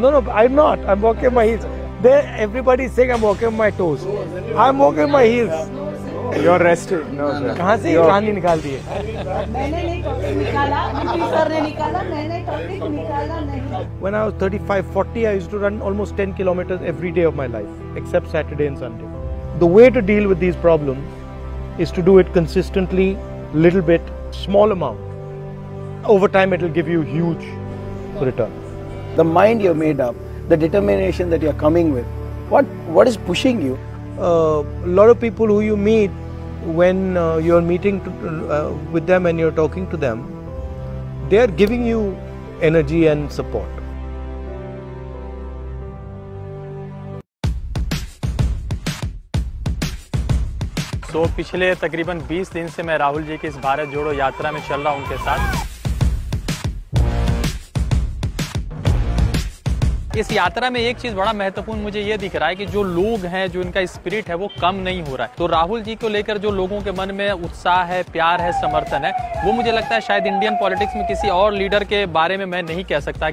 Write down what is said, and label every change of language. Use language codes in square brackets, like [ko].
[en] No, I am not, I am walking my heels. There everybody is saying I am walking my toes, I am walking my heels. You are rested? No sir. [hi] कहां से ये कहानी निकाल दी है? मैंने नहीं topic निकाला, मेरे सर ने निकाला, मैंने टॉपिक निकाला नहीं। [en] When I was 35-40 I used to run almost 10 kilometres every day of my life except Saturday and Sunday. The way to deal with these problems is to do it consistently, little bit, small amount. Over time, it will give you huge return. The mind you have made up, the determination that you are coming with, what is pushing you? A lot of people who you meet when you are meeting with them and you are talking to them, they are giving you energy and support. [hi] तो पिछले तकरीबन 20 दिन से मैं राहुल जी की इस भारत जोड़ो यात्रा में चल रहा हूं उनके साथ। इस यात्रा में एक चीज बड़ा महत्वपूर्ण मुझे ये दिख रहा है कि जो लोग हैं, जो इनका स्पिरिट है वो कम नहीं हो रहा है। तो राहुल जी को लेकर जो लोगों के मन में उत्साह है, प्यार है, समर्थन है, वो मुझे लगता है शायद इंडियन पॉलिटिक्स में किसी और लीडर के बारे में मैं नहीं कह सकता।